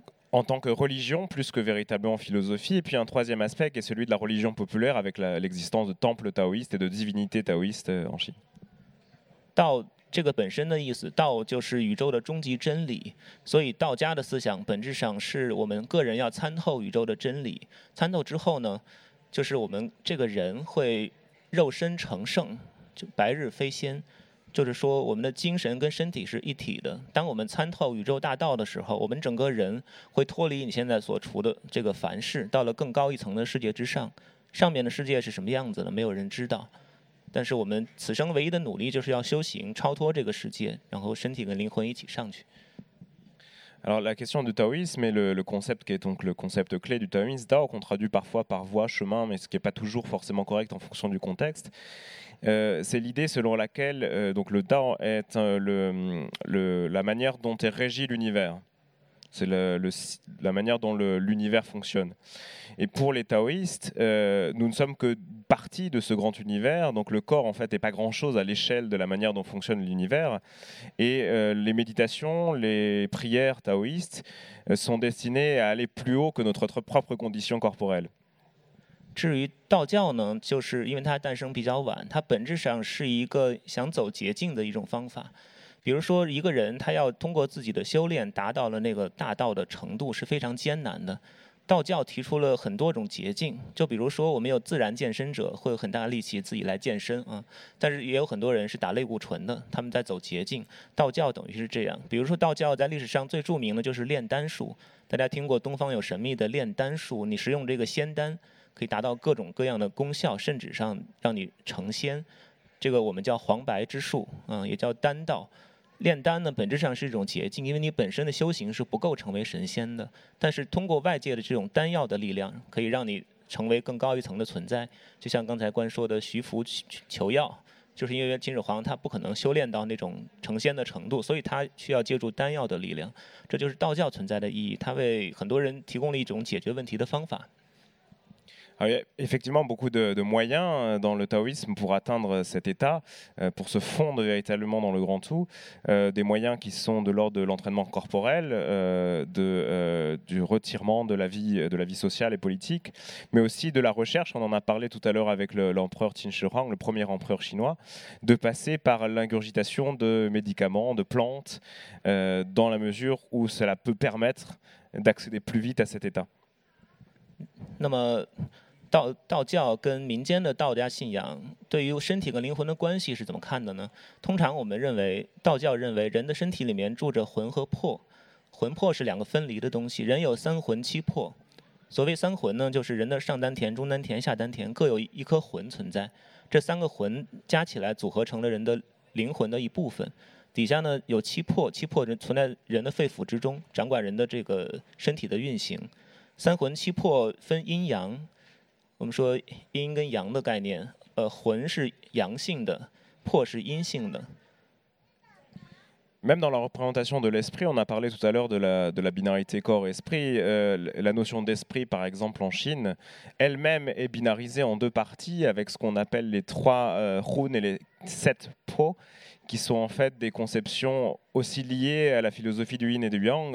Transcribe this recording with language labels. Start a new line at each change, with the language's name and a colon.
French: en tant que religion plus que véritablement philosophie. Et puis un troisième aspect qui est celui de la religion populaire avec l'existence de temples taoïstes et de divinités taoïstes en Chine.
Chinese: Tao 这个本身的意思，道就是宇宙的终极真理，所以道家的思想本质上是我们个人要参透宇宙的真理，参透之后呢，就是我们这个人会肉身成圣，就白日飞仙，就是说我们的精神跟身体是一体的，当我们参透宇宙大道的时候，我们整个人会脱离你现在所处的这个凡世，到了更高一层的世界之上，上面的世界是什么样子的，没有人知道，但是我们此生唯一的努力就是要修行，超脱这个世界，然后身体跟灵魂一起上去。
French: Alors la question du taoïsme et le concept qui est donc le concept clé du taoïsme, Dao, qu'on traduit parfois par voie, chemin, mais ce qui n'est pas toujours forcément correct en fonction du contexte, c'est l'idée selon laquelle donc le Dao est la manière dont est régi l'univers. C'est la manière dont l'univers fonctionne. Et pour les taoïstes, nous ne sommes que partie de ce grand univers, donc le corps en fait n'est pas grand chose à l'échelle de la manière dont fonctionne l'univers, et les méditations, les prières taoïstes sont destinées à aller plus haut que notre propre condition corporelle.
Chinese: 至于道教呢，就是因为它诞生比较晚，它本质上是一个想走捷径的一种方法。比如说一个人他要通过自己的修炼达到了那个大道的程度是非常艰难的，道教提出了很多种捷径，就比如说我们有自然健身者会有很大的力气自己来健身啊，但是也有很多人是打类固醇的，他们在走捷径，道教等于是这样。比如说道教在历史上最著名的就是炼丹术，大家听过东方有神秘的炼丹术，你使用这个仙丹可以达到各种各样的功效，甚至上让你成仙，这个我们叫黄白之术，也叫丹道。炼丹呢，本质上是一种捷径，因为你本身的修行是不够成为神仙的，但是通过外界的这种丹药的力量可以让你成为更高一层的存在，就像刚才关说的徐福求药，就是因为秦始皇他不可能修炼到那种成仙的程度，所以他需要借助丹药的力量，这就是道教存在的意义，他为很多人提供了一种解决问题的方法。
French: Alors, il y a effectivement beaucoup de moyens dans le taoïsme pour atteindre cet état, pour se fondre véritablement dans le grand tout, des moyens qui sont de l'ordre de l'entraînement corporel, du retirement de la vie sociale et politique, mais aussi de la recherche, on en a parlé tout à l'heure avec l'empereur Qin Shi Huang, le premier empereur chinois, de passer par l'ingurgitation de médicaments, de plantes, dans la mesure où cela peut permettre d'accéder plus vite à cet état.
Chinese: 那么 道教跟民间的道家信仰对于身体跟灵魂的关系是怎么看的呢？通常我们认为，道教认为人的身体里面住着魂和魄，魂魄是两个分离的东西，人有三魂七魄，所谓三魂呢，就是人的上丹田、中丹田、下丹田各有一颗魂存在，这三个魂加起来组合成了人的灵魂的一部分，底下呢有七魄，七魄存在人的肺腑之中，掌管人的这个身体的运行，三魂七魄分阴阳，我们说阴跟阳的概念，魂是阳性的，魄是阴性的。
French: Même dans la représentation de l'esprit, on a parlé tout à l'heure de la binarité corps-esprit. La notion d'esprit, par exemple, en Chine, elle-même est binarisée en deux parties, avec ce qu'on appelle les trois runes et les sept po, qui sont en fait des conceptions aussi liées à la philosophie du yin et du yang.